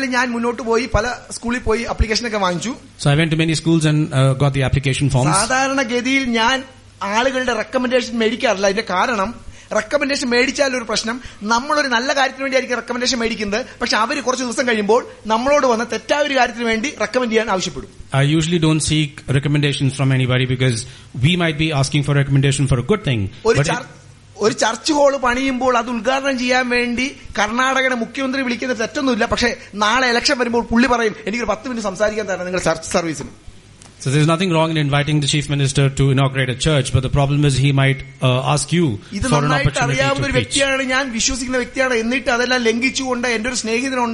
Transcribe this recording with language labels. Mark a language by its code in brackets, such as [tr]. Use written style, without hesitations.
[en] went to many schools and got the application forms. [ml] സാധാരണ ഗതിയിൽ ഞാൻ ആളുകളുടെ റെക്കമെൻഡേഷൻ മേടിക്കാറില്ല. അതിന്റെ കാരണം റെക്കമെൻഡേഷൻ മേടിച്ചാലൊരു പ്രശ്നം, നമ്മളൊരു നല്ല കാര്യത്തിന് വേണ്ടിയായിരിക്കും റെക്കമെൻഡേഷൻ മേടിക്കുന്നത്, പക്ഷെ അവർ കുറച്ച് ദിവസം കഴിയുമ്പോൾ നമ്മളോട് വന്ന് തെറ്റായ ഒരു കാര്യത്തിന് വേണ്ടി റെക്കമെൻഡ് ചെയ്യാൻ ആവശ്യപ്പെടും. [en] I usually don't seek recommendations from anybody because we might be asking for recommendation for a good thing. [ml] ഒരു ചർച്ച് ഹോള് പണിയുമ്പോൾ അത് ഉദ്ഘാടനം ചെയ്യാൻ വേണ്ടി കർണാടകയുടെ മുഖ്യമന്ത്രി വിളിക്കുന്നത് തെറ്റൊന്നുമില്ല, പക്ഷേ നാളെ ഇലക്ഷൻ വരുമ്പോൾ പുള്ളി പറയും എനിക്കൊരു 10 മിനിറ്റ് സംസാരിക്കാൻ തരണം നിങ്ങൾ ചർച്ച് സർവീസിന്. [en] So there is nothing wrong in inviting the chief minister to inaugurate a church, but the problem is he might ask you for an opportunity to preach.